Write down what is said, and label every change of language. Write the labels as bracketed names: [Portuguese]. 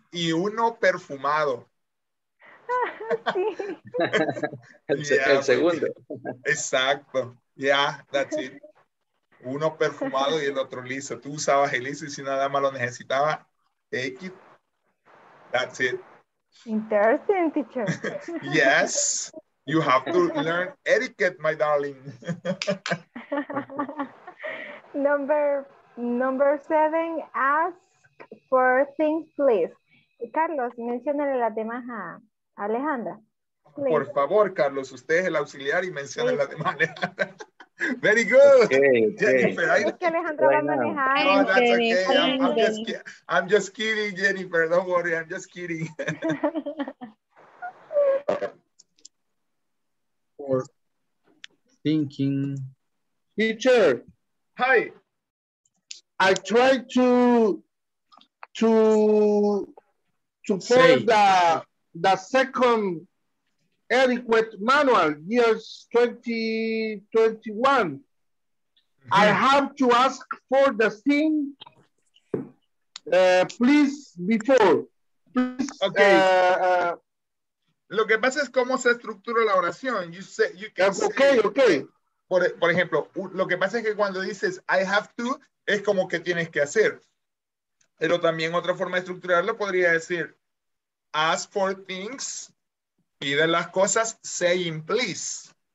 [Spanish] Y uno perfumado. Sí. Yeah, el segundo. Exacto. [English] Yeah, that's it. [Spanish] Uno perfumado y el otro liso. Tú usabas el liso y si nada más lo necesitaba, [English] take it. That's it. Interesting, teacher. Yes, you have to learn etiquette, my darling. Number 7, ask for things, please. [Spanish] Carlos, mencionale las demás a Alejandra. Please. Por favor, Carlos, usted es el auxiliar y menciona las demás. [English] Very good. Okay, okay. [Spanish] Jennifer, es que Alejandra va a manejar. [English] No, that's okay. I'm just kidding, Jennifer. Don't worry, I'm just kidding. For thinking. Teacher. Hi. I tried to follow the second etiquette manual, years 2021. Mm-hmm. I have to ask for the thing, please, before. Please, okay. [Spanish] Lo que pasa es cómo se estructura la oración. [English] You say, you can say, okay, okay. [Spanish] Por ejemplo, lo que pasa es que cuando dices [English] I have to, [Spanish] es como que tienes que hacer. Pero también otra forma de estructurarlo podría decir [English] ask for things, [Spanish] pide las cosas, [English] saying please.